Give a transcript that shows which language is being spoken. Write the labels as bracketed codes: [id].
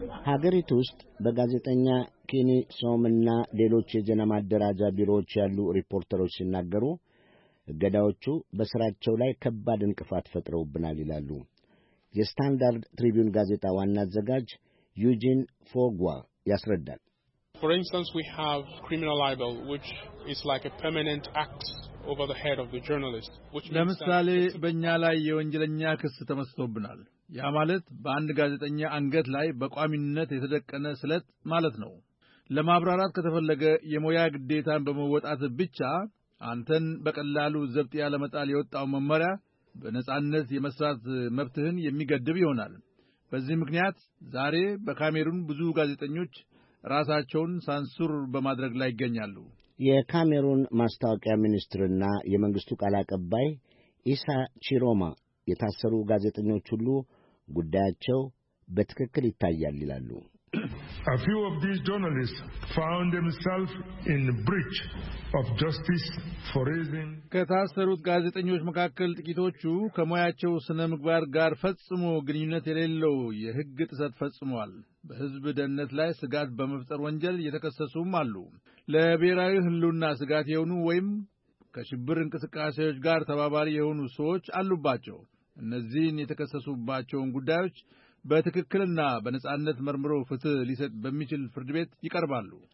[am] ሀገሪቱ ውስጥ በጋዜጠኛ ኪኒ ሶምና ሌሎች የዜና ማደራጃ ቢሮዎች ያሉ ሪፖርተሮች ሲናገሩ ገዳዎቹ በስራቸው ላይ ከባድ እንቅፋት ፈጥረውብናል ይላሉ። የስታንዳርድ ትሪቢዩን ጋዜጣ ዋና አዘጋጅ ዩጂን ፎግዋ ያስረዳል። [en] For instance, we have criminal libel, which is like a permanent act over the head of the journalist, which means that [am] በኛ ላይ የወንጀለኛ ክስ ተመስቶብናል። ያ ማለት በአንድ ጋዜጠኛ አንገት ላይ በቋሚነት የተደቀነ ስለት ማለት ነው። ለማብራራት ከተፈለገ የሞያ ግዴታን በመወጣት ብቻ አንተን በቀላሉ ዘብጥ ያለመጣል የወጣው መመሪያ በነጻነት የመስራት መብትህን የሚገድብ ይሆናል። በዚህ ምክንያት ዛሬ በካሜሩን ብዙ ጋዜጠኞች ራሳቸውን ሳንሱር በማድረግ ላይ ይገኛሉ። የካሜሩን ማስተዋቂያ ሚኒስትርና የመንግስቱ ቃል አቀባይ ኢሳ ቺሮማ የታሰሩ ጋዜጠኞች ሁሉ ጉዳያቸው በትክክል ይታያል ይላሉ። [en] A few of these journalists found themselves in breach of justice for raising [am] ከታሰሩት ጋዜጠኞች መካከል ጥቂቶቹ ከሞያቸው ስነ ምግባር ጋር ፈጽሞ ግንኙነት የሌለው የህግ ጥሰት ፈጽመዋል። በህዝብ ደህንነት ላይ ስጋት በመፍጠር ወንጀል የተከሰሱም አሉ። ለብሔራዊ ህልውና ስጋት የሆኑ ወይም ከሽብር እንቅስቃሴዎች ጋር ተባባሪ የሆኑ ሰዎች አሉባቸው። እነዚህን የተከሰሱባቸውን ጉዳዮች በትክክልና በነጻነት መርምሮ ፍትህ ሊሰጥ በሚችል ፍርድ ቤት ይቀርባሉ።